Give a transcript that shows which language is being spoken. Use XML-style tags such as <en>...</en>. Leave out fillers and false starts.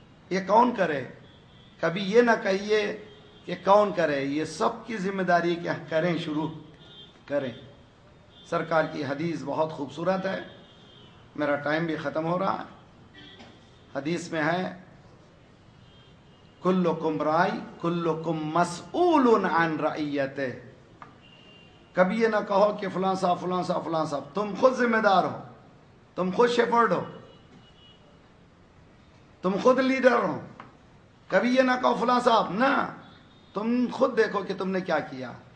<ur>یہ کون کرے؟ کبھی یہ نہ کہیے کہ کون کرے, یہ سب کی ذمہ داری ہے کہ کریں, شروع کریں. سرکار کی حدیث بہت خوبصورت ہے, میرا ٹائم بھی ختم ہو رہا ہے. حدیث میں ہے</ur> <ar>کلکم رائی کلکم مسئول عن رعیتہ.</ar> <ur>کبھی یہ نہ کہو کہ فلان صاحب فلان صاحب فلان صاحب, تم خود ذمہ دار ہو, تم خود شیپرڈ ہو, تم خود لیڈر ہو. کبھی یہ نہ کہو فلان صاحب, نہ, تم خود دیکھو کہ تم نے کیا کیا.</ur>